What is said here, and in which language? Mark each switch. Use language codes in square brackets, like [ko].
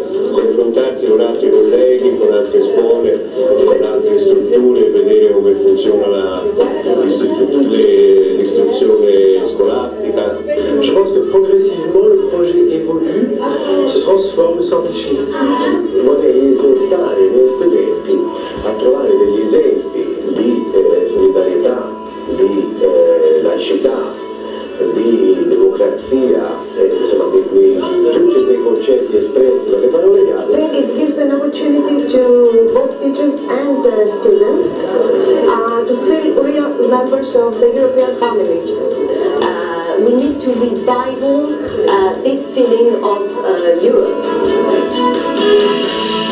[it] Confrontarsi con altri colleghi, con altre scuole, con altre strutture, vedere come funziona. relazione alla l'istruzione scolastica. [fr] Je pense que progressivement le projet évolue, se transforme, s'enrichit. [it] Vorrei esortare gli studenti a trovare degli esempi di solidarietà, di laicità, di democrazia, insomma, tutti quei concetti espressi dalle parole chiave. [en] I think it gives an opportunity to both teachers and students to feel real members of the European family. We need to revive this feeling of Europe.